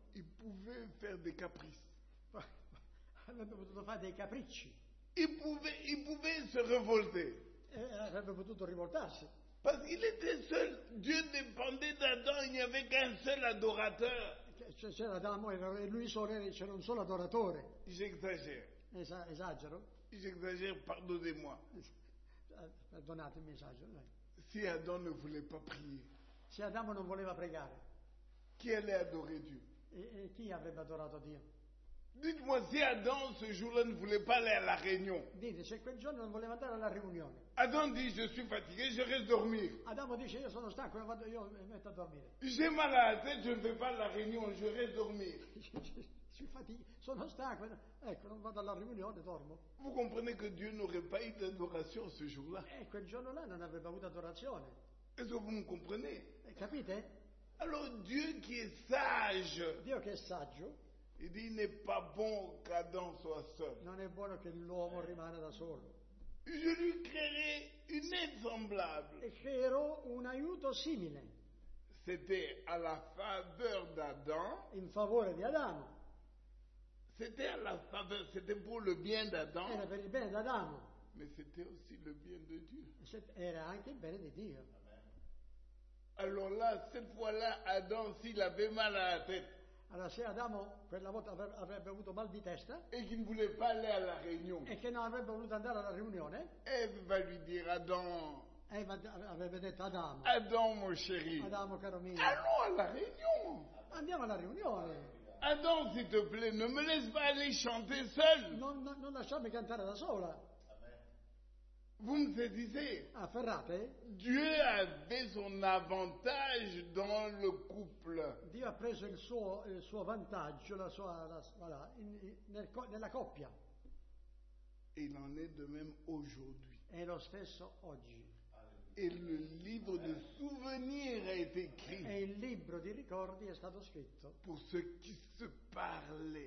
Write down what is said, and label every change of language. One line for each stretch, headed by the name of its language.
French: Il pouvait faire des caprices.
Italian: Avrebbe potuto fare dei capricci.
French: Il pouvait se révolter.
Italian: Avrebbe potuto rivoltarsi.
French: Parce qu'il était seul. Dieu dépendait d'Adam. Il n'y avait qu'un seul adorateur.
Italian: C'era Adamo e lui solo, c'era un solo adoratore.
French: J'exagère.
Italian: Esagero.
French: J'exagère, pardonnez-moi.
Italian: Perdonatemi, esagero.
French: Si Adam ne voulait pas prier.
Italian: Se Adamo non voleva pregare.
French: Chi allait adorer Dieu?
Italian: E chi avrebbe adorato Dio?
French: Dites-moi si Adam ce jour-là ne voulait pas aller à la réunion.
Italian: Dite, se quel giorno non voleva andare alla riunione.
French: Adam dit, je suis fatigué, je reste dormir.
Italian: Adamo dice, io sono stanco, io mi metto a dormire.
French: J'ai mal à la tête, je ne vais pas à la réunion, je reste dormir. Je suis fatigué,
Italian: sono stanco, ecco, non vado alla riunione, dormo.
French: Vous comprenez que Dieu n'aurait pas eu d'adoration ce jour-là.
Italian: Quel giorno-là non avrebbe avuto adorazione.
French: Est-ce que vous me comprenez?
Italian: Capite?
French: Alors Dieu qui est sage.
Italian: Dio che è saggio.
French: Il dit, il n'est pas bon qu'Adam soit seul.
Italian: Non è buono che l'uomo rimane da solo.
French: Je lui créerai une aide semblable.
Italian: E creerò un aiuto simile.
French: C'était à la faveur d'Adam.
Italian: In favore di Adamo.
French: C'était à la faveur, c'était pour le bien d'Adam.
Italian: Era per il bene d'Adamo.
French: Mais c'était aussi le bien de Dieu.
Italian: Era anche il bene di Dio. Amen.
French: Alors là, cette fois-là, Adam, s'il avait mal à la tête.
Italian: Allora se Adamo quella volta avrebbe avuto mal di testa e che non voleva
French: pas aller
Italian: alla réunion e che non avrebbe voluto andare alla riunione e
French: va lui dire Adam
Italian: e avrebbe detto Adamo
French: Adam mon chéri
Italian: Adamo caro mio
French: allons à la réunion
Italian: andiamo alla riunione
French: Adam s'il te plaît ne me laisse pas aller chanter seul
Italian: non lasciami cantare da sola.
French: Vous me saisissez.
Italian: Afferrate.
French: Dieu avait son avantage dans le couple.
Italian: Dio ha preso il suo vantaggio, la sua voilà, nella coppia.
French: Et il en est de même aujourd'hui.
Italian: È lo stesso oggi.
French: Et le livre de souvenirs a été écrit.
Italian: E il libro di ricordi è stato scritto.
French: Pour ceux qui se parlaient.